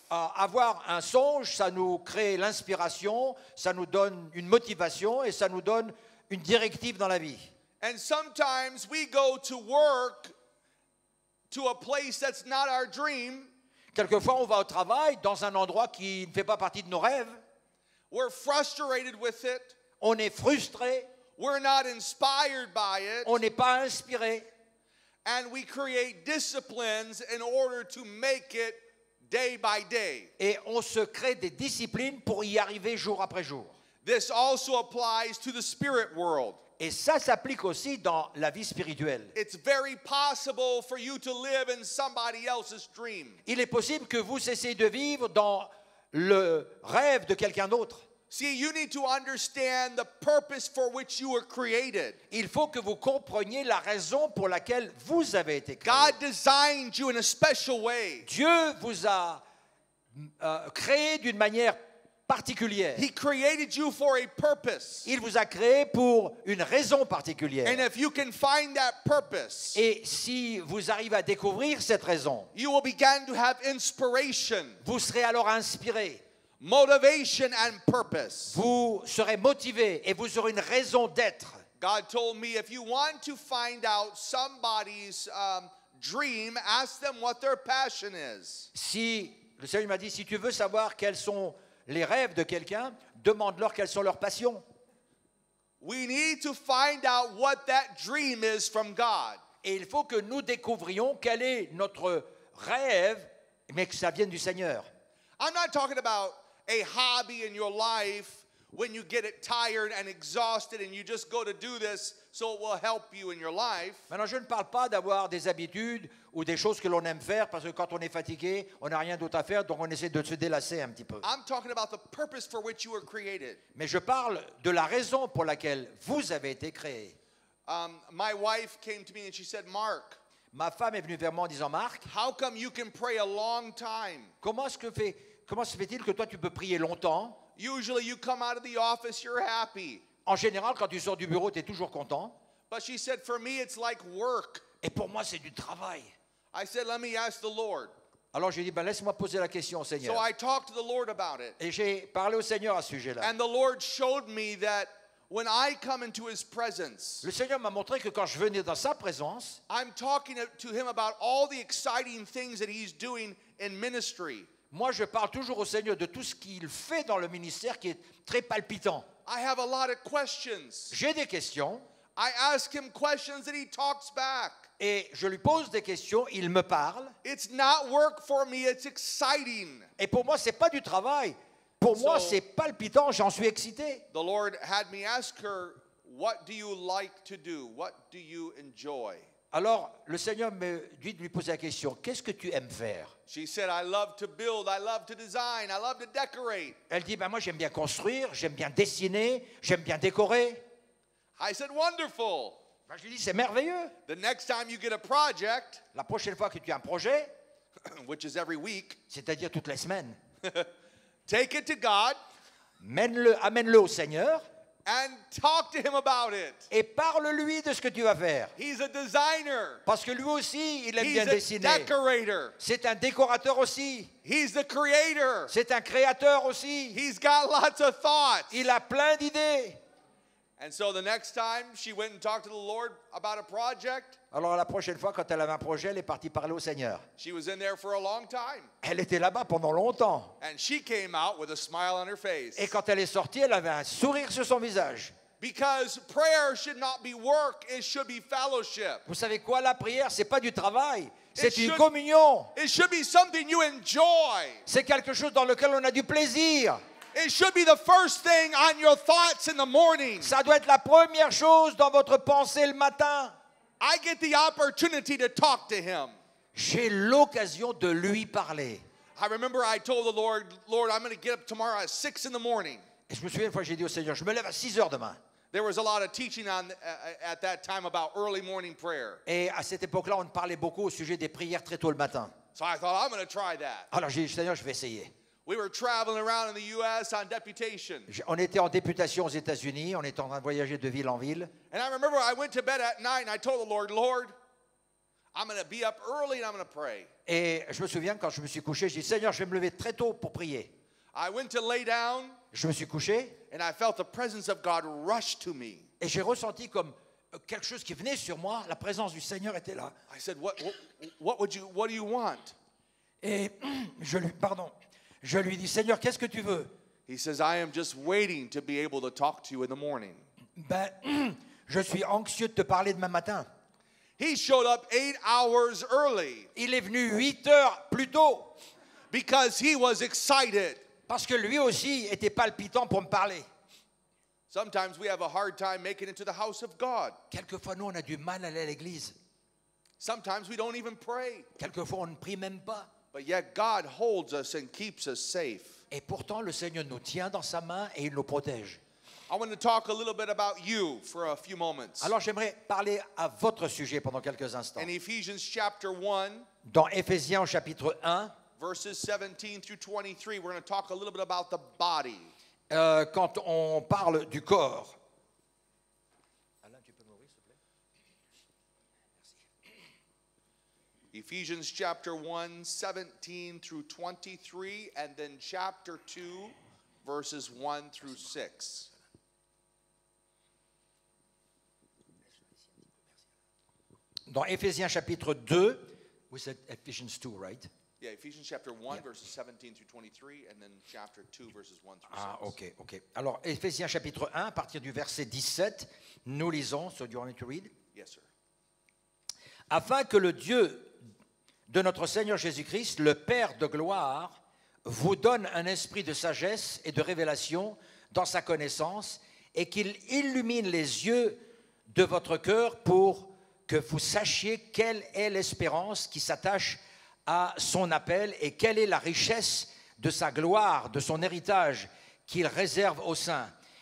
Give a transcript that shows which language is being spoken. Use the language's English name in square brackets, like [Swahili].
[French] Avoir un songe, ça nous crée l'inspiration, ça nous donne une motivation et ça nous donne une directive dans la vie. [English] And sometimes we go to work to a place that's not our dream. [French] Quelquefois on va au travail dans un endroit qui ne fait pas partie de nos rêves. [English] We're frustrated with it. [French] On est frustré. [English] We're not inspired by it. [French] On n'est pas inspiré. [English] And we create disciplines in order to make it day by day. [French] Et on se crée des disciplines pour y arriver jour après jour. [English] This also applies to the spirit world. [French] Et ça s'applique aussi dans la vie spirituelle. [English] It's very possible for you to live in somebody else's dream. [French] Il est possible que vous cessiez de vivre dans le rêve de quelqu'un d'autre. [English] See, you need to understand the purpose for which you were created. [French] Il faut que vous compreniez la raison pour laquelle vous avez été créé. [English] God designed you in a special way. [French] Dieu vous a créé d'une manière particulière. [English] He created you for a purpose. [French] Il vous a créé pour une raison particulière. [English] And if you can find that purpose, [French] et si vous arrivez à découvrir cette raison, [English] you will begin to have inspiration. [French] Vous serez alors inspiré. [English] Motivation and purpose. [French] Vous serez motivé et vous aurez une raison d'être. [English] God told me, if you want to find out somebody's dream, ask them what their passion is. [French] Si le Seigneur m'a dit, si tu veux savoir quels sont les rêves de quelqu'un, demande-leur quelles sont leurs passions. [English] We need to find out what that dream is from God. [French] Et il faut que nous découvrions quel est notre rêve, mais que ça vienne du Seigneur. [English] I'm not talking about a hobby in your life when you get it tired and exhausted and you just go to do this so it will help you in your life. [French] Maintenant, je ne parle pas d'avoir des habitudes ou des choses que l'on aime faire parce que quand on est fatigué, on n'a rien d'autre à faire, donc on essaie de se délasser un petit peu. [English] I'm talking about the purpose for which you were created. [French] Mais je parle de la raison pour laquelle vous avez été créé. [English] My wife came to me and she said, Mark, [French] ma femme est venue vers moi en disant, Marc, [English] how come you can pray a long time? [French] Comment se fait-il que toi tu peux prier longtemps? [English] Usually you come out of the office, you're happy. [French] En général, quand tu sors du bureau, tu es toujours content. [English] But she said, for me, it's like work. [French] Et pour moi, c'est du travail. [English] I said, let me ask the Lord. [French] Alors j'ai dit, ben, laisse-moi poser la question au Seigneur. [English] So I talked to the Lord about it. [French] Et j'ai parlé au Seigneur à ce sujet-là. [English] And the Lord showed me that when I come into his presence, [French] le Seigneur m'a montré que quand je venais dans sa présence, [English] I'm talking to him about all the exciting things that he's doing in ministry. [French] Moi, je parle toujours au Seigneur de tout ce qu'il fait dans le ministère qui est très palpitant. [English] I have a lot of questions. [French] J'ai des questions. [English] I ask him questions and he talks back. [French] Et je lui pose des questions, il me parle. [English] It's not work for me, it's exciting. [French] Et pour moi, ce n'est pas du travail. Pour moi, c'est palpitant, j'en suis excité. [English] The Lord had me ask her, what do you like to do? What do you enjoy? [French] Alors, le Seigneur me dit de lui poser la question, qu'est-ce que tu aimes faire? [English] She said, I love to build, I love to design, I love to decorate. [French] Elle dit, ben moi j'aime bien construire, j'aime bien dessiner, j'aime bien décorer. [English] I said, wonderful. [French] Ben, je lui dis, c'est merveilleux. [English] The next time you get a project, [French] la prochaine fois que tu as un projet, [English] which is every week, [French] c'est-à-dire toutes les semaines, [English] take it to God, [French] amène-le au Seigneur, [English] and talk to him about it. [French] Et parle-lui de ce que tu vas faire. [English] He's a designer. [French] Parce que lui aussi, il aime bien dessiner. [English] He's a decorator. [French] C'est un décorateur aussi. [English] He's the creator. [French] C'est un créateur aussi. [English] He's got lots of thoughts. [French] Il a plein d'idées. [English] And so the next time she went and talked to the Lord about a project. [French] Alors la prochaine fois quand elle avait un projet, elle est partie parler au Seigneur. [English] She was in there for a long time. [French] Elle était là-bas pendant longtemps. [English] And she came out with a smile on her face. [French] Et quand elle est sortie, elle avait un sourire sur son visage. [English] Because prayer should not be work, it should be fellowship. [French] Vous savez quoi, la prière, c'est pas du travail, c'est une communion. [English] It should be something you enjoy. [French] C'est quelque chose dans lequel on a du plaisir. [English] It should be the first thing on your thoughts in the morning. [French] Ça doit être la première chose dans votre pensée le matin. [English] I get the opportunity to talk to him. [French] J'ai l'occasion de lui parler. [English] I remember I told the Lord, Lord, I'm going to get up tomorrow at 6 in the morning. [French] Et je me souviens une fois j'ai dit au Seigneur, je me lève à 6 heures demain. [English] There was a lot of teaching on at that time about early morning prayer. [French] Et à cette époque-là, on parlait beaucoup au sujet des prières très tôt le matin. [English] So I thought I'm going to try that. [French] Alors j'ai dit, Seigneur, je vais essayer. [English] We were traveling around in the U.S. on deputation. [French] On était en députation aux États-Unis. On était en train de voyager de ville en ville. [English] And I remember I went to bed at night and I told the Lord, Lord, I'm going to be up early and I'm going to pray. [French] Et je me souviens quand je me suis couché, j'ai dit, Seigneur, je vais me lever très tôt pour prier. [English] I went to lay down. [French] Je me suis couché. [English] And I felt the presence of God rush to me. [French] Et j'ai ressenti comme quelque chose qui venait sur moi. La présence du Seigneur était là. [English] I said, What do you want? [French] Et je lui, pardon. Je lui dis, Seigneur, qu'est-ce que tu veux? [English] He says, I am just waiting to be able to talk to you in the morning. [French] Ben, je suis anxieux de te parler demain matin. [English] He showed up 8 hours early. [French] Il est venu 8 heures plus tôt. [English] Because he was excited. [French] Parce que lui aussi était palpitant pour me parler. [English] Sometimes we have a hard time making it to the house of God. [French] Quelquefois, nous, on a du mal à aller à l'église. [English] Sometimes we don't even pray. [French] Quelquefois, on ne prie même pas. [English] But yet God holds us and keeps us safe. [French] Et pourtant le Seigneur nous tient dans sa main et il nous protège. [English] I want to talk a little bit about you for a few moments. [French] Alors j'aimerais parler à votre sujet pendant quelques instants. [English] In Ephesians chapter 1, [French] dans Éphésiens chapitre 1, [English] verses 17 through 23, we're going to talk a little bit about the body. [French] Quand on parle du corps. Alain, tu peux m'ouvrir, s'il te plaît? Merci. [English] Ephesians chapter 1, 17 through 23, and then chapter 2, verses 1 through 6. [French] Dans Éphésiens chapitre 2, vous êtes [English] Ephesians 2, right? Yeah, Ephesians chapter 1, verses 17 through 23, and then chapter 2, verses 1 through 6. [French] Ah, ok. Alors, Ephésiens chapitre 1, à partir du verset 17, nous lisons, [English] so do you want me to read? Yes, sir. [French] Afin que le Dieu de notre Seigneur Jésus-Christ, le Père de gloire, vous donne un esprit de sagesse et de révélation dans sa connaissance, et qu'il illumine les yeux de votre cœur pour que vous sachiez quelle est l'espérance qui s'attache à son appel et quelle est la richesse de sa gloire, de son héritage qu'il réserve aux saints.